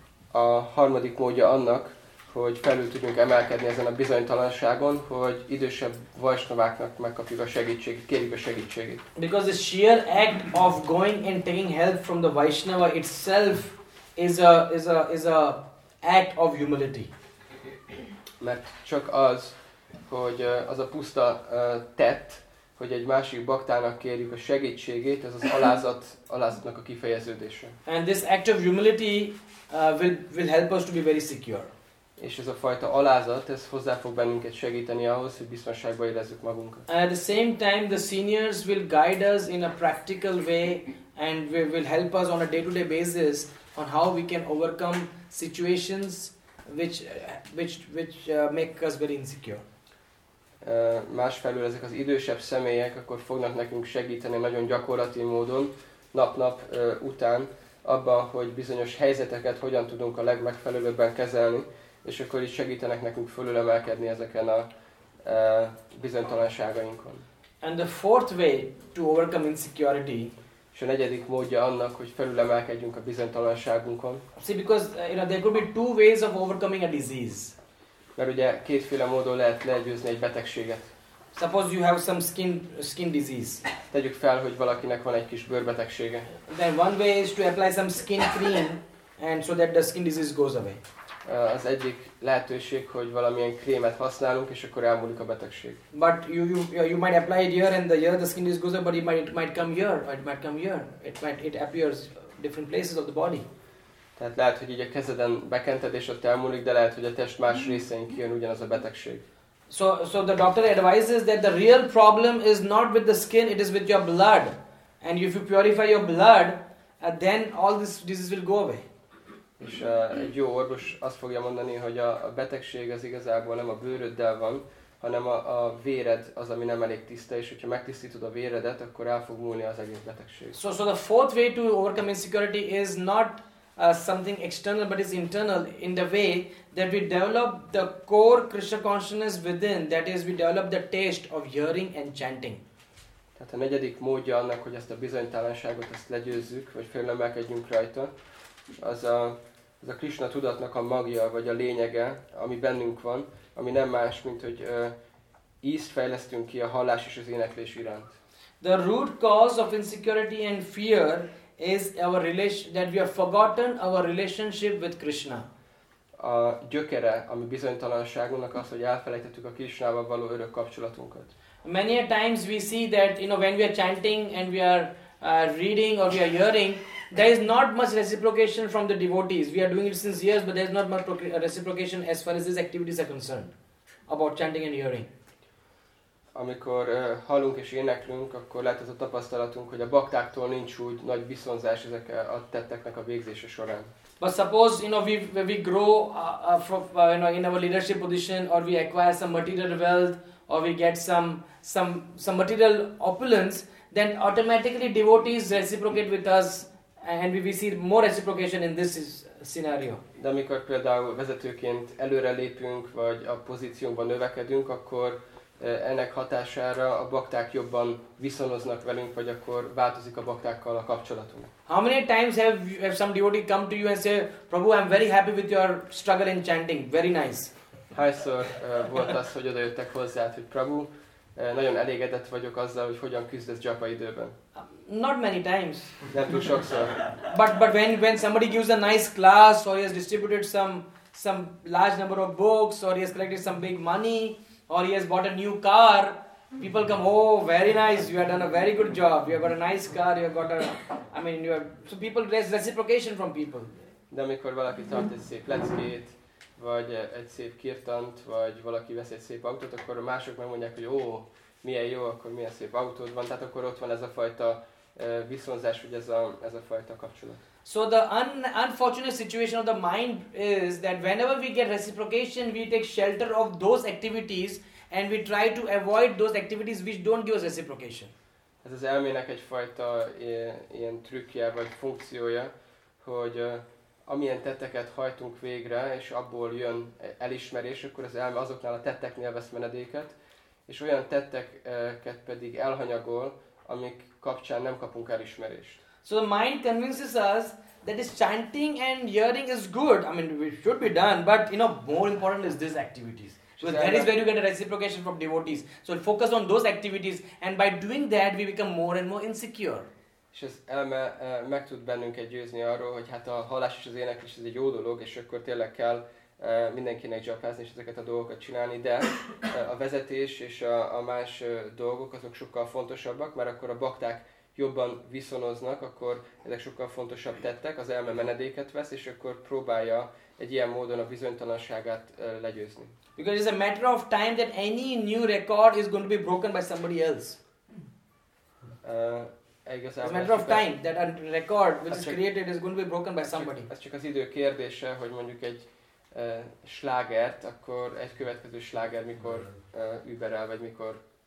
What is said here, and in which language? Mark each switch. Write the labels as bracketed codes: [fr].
[hu] A harmadik módja annak, hogy felül tudjunk emelkedni ezen a bizonytalanságon, hogy idősebb vaisnaváknak megkapjuk a segítségét, kérjük a segítségét. [en] Because the sheer act of going and taking help from the Vaishnava itself is a act of humility. [hu] Mert csak az, hogy az a puszta tett, hogy egy másik baktának kérjük a segítségét, ez az alázatnak a kifejeződése. [en] And this act of humility will help us to be very secure. [hu] És ez a fajta alázat, ez hozzá fog bennünket segíteni ahhoz, hogy biztonságban érezzük magunkat. [en] At the same time, the seniors will guide us in a practical way and will help us on a day-to-day basis on how we can overcome situations which make us very insecure. [hu] Másfelől ezek az idősebb személyek akkor fognak nekünk segíteni nagyon gyakorlati módon nap-nap után abban, hogy bizonyos helyzeteket hogyan tudunk a legmegfelelőbben kezelni, és akkor is segítenek nekünk fölülemelkedni ezeken a bizonytalanságainkon. [en] And the fourth way to overcome insecurity. [hu] És a negyedik módja annak, hogy fölülemelkedjünk a bizonytalanságunkon. [en] See, because you know, there could be two ways of overcoming a disease. [hu] Mert ugye kétféle módon lehet legyőzni egy betegséget. [en] Suppose you have some skin disease. [hu] Tegyük fel, hogy valakinek van egy kis bőrbetegsége. [en] Then one way is to apply some skin cream and so that the skin disease goes away. [hu] Az egyik lehetőség, hogy valamilyen krémet használunk, és akkor elmúlik a betegség. [en] But you might apply it here and the year the skin is good, but it might come here. It appears different places of the body. [hu] Tehát lehet, hogy így a kezeden bekented, és ott elmúlik, de lehet, hogy a test más részein kijön ugyanaz a betegség. [en] So the doctor advises that the real problem is not with the skin, it is with your blood. And if you purify your blood, then all this disease will go away. [hu] És egy jó orvos azt fogja mondani, hogy a betegség az igazából nem a bőröddel van, hanem a véred az, ami nem elég tiszta, és hogyha megtisztítod a véredet, akkor el fog múlni az egész betegség. [en] So the fourth way to overcome insecurity is not something external, but is internal, in the way that we develop the core Krishna consciousness within, that is, we develop the taste of hearing and chanting. [hu] Tehát a negyedik módja annak, hogy ezt a bizonytalanságot ezt legyőzzük, vagy félemelkedjünk rajta, az a Krisna tudatnak a magja, vagy a lényege, ami bennünk van, ami nem más, mint hogy ízt fejlesztünk ki a hallás és az éneklés iránt. [en] The root cause of insecurity and fear is our relation, that we have forgotten our relationship with Krishna. [hu] A gyökere, ami bizonytalanságunknak az, hogy elfelejtettük a Krishnával való örök kapcsolatunkat. [en] Many a times we see that, you know, when we are chanting and we are reading or we are hearing, there is not much reciprocation from the devotees. We are doing it since years, but there is not much reciprocation as far as these activities are concerned about chanting and hearing. [hu] Amikor hallunk és éneklünk, akkor lehet ez a tapasztalatunk, hogy a baktáktól nincs úgy nagy viszonzás ezek a tetteknek a végzése során. [en] But suppose, you know, we grow you know, in our leadership position, or we acquire some material wealth, or we get some material opulence, then automatically devotees reciprocate with us, and we see more reciprocation in this scenario. [hu] De amikor például vezetőként előrelépünk, vagy a pozíciónkban növekedünk, akkor ennek hatására a bakták jobban viszonoznak velünk, vagy akkor változik a baktákkal a kapcsolatunk. [en] How many times have some devotee come to you and say, Prabhu, I'm very happy with your struggle in chanting. Very nice. [hu] Hányszor volt az, hogy odajöttek hozzád, hogy Prabhu, nagyon elégedett vagyok azzal, hogy hogyan küzdesz japa időben. [en] Not many times. [hu] Nem túl sokszor. [en] But when somebody gives a nice class, or he has distributed some large number of books, or he has collected some big money, or he has bought a new car, people come, oh, very nice, you have done a very good job, you have got a nice car, you have got a, I mean, you have, so people, there's reciprocation from people. [hu] De amikor valaki tart egy szép leckét, vagy egy szép kirtant, vagy valaki vesz egy szép autót, akkor a mások megmondják, hogy ó, milyen jó, akkor milyen szép autód van, tehát akkor ott van ez a fajta viszonzás, vagy ez a fajta kapcsolat. [en] So the unfortunate situation of the mind is that whenever we get reciprocation, we take shelter of those activities and we try to avoid those activities which don't give us reciprocation. [hu] Ez az elmének egyfajta ilyen trükkje vagy funkciója, hogy amilyen tetteket hajtunk végre, és abból jön elismerés, akkor az elme azoknál a tetteknél vesz menedéket, és olyan tetteket pedig elhanyagol, amik kapcsán nem kapunk elismerést. [en] So the mind convinces us that this chanting and hearing is good. I mean, it should be done, but you know, more important is these activities. So that is where you get a reciprocation from devotees. So focus on those activities, and by doing that, we become more and more insecure. [hu] És az elme meg tud bennünket győzni arról, hogy hát a hallás és az éneklés ez egy jó dolog, és akkor tényleg kell mindenkinek japázni és ezeket a dolgokat csinálni, de a vezetés és a más dolgok azok sokkal fontosabbak, mert akkor a bakták jobban viszonoznak, akkor ezek sokkal fontosabb tettek, az elme menedéket vesz, és akkor próbálja egy ilyen módon a bizonytalanságát legyőzni. [en] Because it's a matter of time that any new record is going to be broken by somebody else. It's a matter of time that a record which is created is going to be broken by somebody. [hu] Ez csak az idő kérdése, hogy mondjuk egy slágert, akkor egy következő sláger mikor überel, vagy mikor...